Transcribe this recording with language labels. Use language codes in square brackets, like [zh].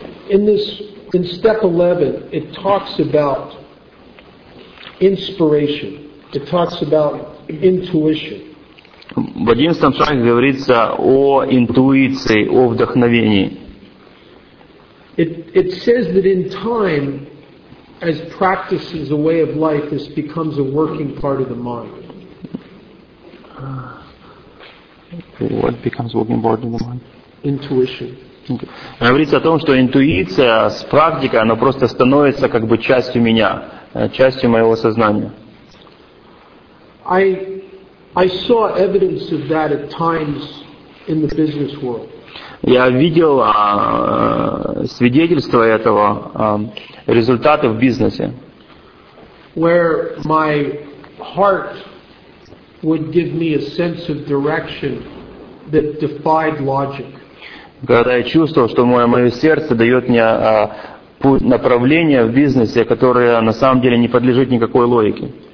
[en] In step 11, it talks about inspiration. It talks about intuition. [ru] В 11-м шаге говорится о интуиции, о вдохновении. [en] It says that in time, as practice is a way of life, this becomes a working part of the mind. What becomes working part of the mind? Intuition. Okay. [ru] Говорится о том, что интуиция с практикой, она просто становится как бы частью меня. Частью моего сознания. [en] I saw evidence of that at times in the business world. [ru] Я видел свидетельство этого, результаты в бизнесе. [en] Where my heart would give me a sense of direction that defied logic. [ru] Когда я чувствовал, что мое сердце дает мне путь направления в бизнесе, которое на самом деле не подлежит никакой логике.